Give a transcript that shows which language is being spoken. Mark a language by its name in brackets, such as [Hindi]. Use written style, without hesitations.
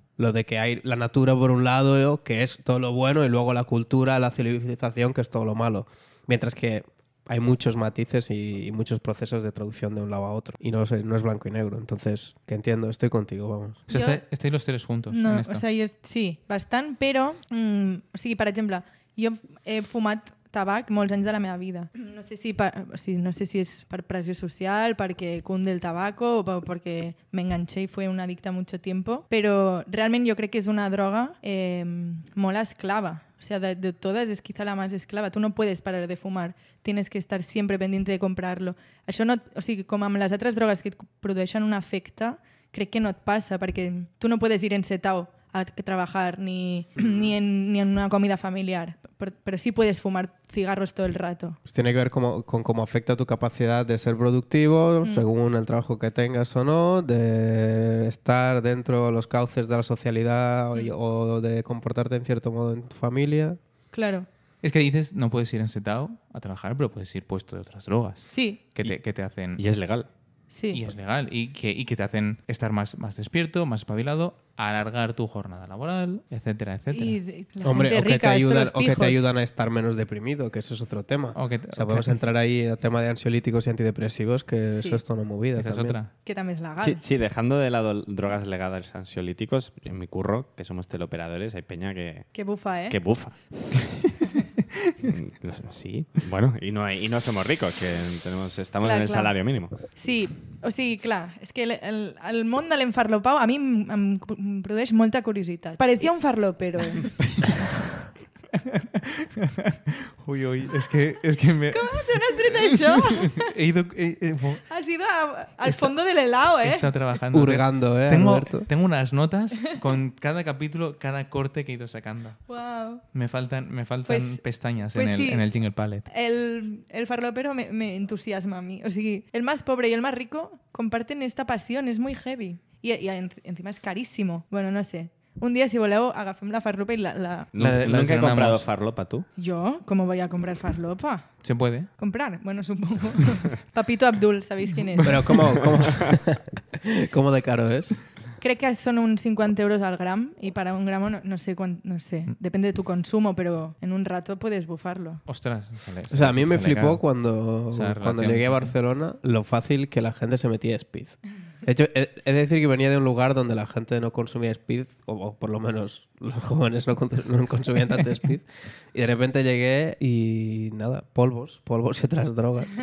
[Spanish] Lo de que hay la natura por un lado, que es todo lo bueno, y luego la cultura, la civilización, que es todo lo malo. Mientras que hay muchos matices y muchos procesos de traducción de un lado a otro. Y no es blanco y negro. Entonces, que entiendo, estoy contigo, vamos. O sea, estáis los tres juntos. No, en esto. [Catalan] O sea, yo, sí, bastant, però... o sigui, per exemple, jo he fumat tabac molts anys de la meva vida. No sé si és per pressió social, perquè [Spanish] cunde el tabaco, [Catalan] o perquè m'enganxé i fui un addicte [Spanish] mucho tiempo. [Catalan] Però realment jo crec que és una droga molt esclava. [Spanish] O sea, de todas es quizá la más esclava. Tú no puedes parar de fumar. Tienes que estar siempre pendiente de comprarlo. [Catalan] Això no, o sigui, com amb les altres drogues que et produeixen un efecte, crec que no et passa, perquè tu [Spanish] no puedes ir encetao a trabajar ni en una comida familiar. Pero sí puedes fumar cigarros todo el rato. Pues tiene que ver con cómo afecta tu capacidad de ser productivo, según el trabajo que tengas o no, de estar dentro de los cauces de la socialidad o de comportarte en cierto modo en tu familia. Claro. Es que dices, no puedes ir ensetado a trabajar, pero puedes ir puesto de otras drogas. Sí. Que te hacen... Y es legal. Sí. Y es legal. Y que te hacen estar más despierto, más espabilado, alargar tu jornada laboral, etcétera, etcétera. Hombre, o que te ayudan a estar menos deprimido, que eso es otro tema. Podemos entrar ahí en el tema de ansiolíticos y antidepresivos, que sí. Eso es toda una movida. Esa es otra. Que también es legal. Sí, dejando de lado drogas legales ansiolíticos, en mi curro, que somos teleoperadores, hay peña que... Que bufa, ¿eh? Que bufa. Sí, bueno, y no somos ricos, que estamos clar, en el clar. Salario mínimo. [Catalan] Sí, o sigui, clar, és que el món de l'enfarlopau a mi em produeix molta curiositat. [Spanish] Parecia un farlopero. Uy, uy, es que me... ¿Cómo te has escrito eso? Has ido al fondo del helado, ¿eh? Está trabajando. Hurgando, ¿eh? Tengo unas notas con cada capítulo, cada corte que he ido sacando. Wow. Me faltan pues, pestañas pues en el Jingle Palette. El farlopero me entusiasma a mí. O sea, el más pobre y el más rico comparten esta pasión, es muy heavy. Y encima es carísimo. Bueno, no sé. Un día, [Catalan] si voleu, agafem la farlopa i la [Spanish] ¿Nunca he comprado farlopa, tú? ¿Yo? ¿Cómo voy a comprar farlopa? ¿Se puede? ¿Comprar? Bueno, supongo. Papito Abdul, ¿sabéis quién es? Pero ¿cómo de caro es? [Catalan] Crec que són uns 50 euros al gram i per un gram no sé, depèn de tu consum, però [Spanish] en un rato puedes bufarlo. [Catalan] Ostres. [Spanish] O sea, a mi me flipó cuando llegué a Barcelona lo fácil que la gente se metía a speed. De hecho, he de decir que venía de un lugar donde la gente no consumía speed, o por lo menos los jóvenes no consumían tanto speed. Y de repente llegué y nada, polvos y otras drogas.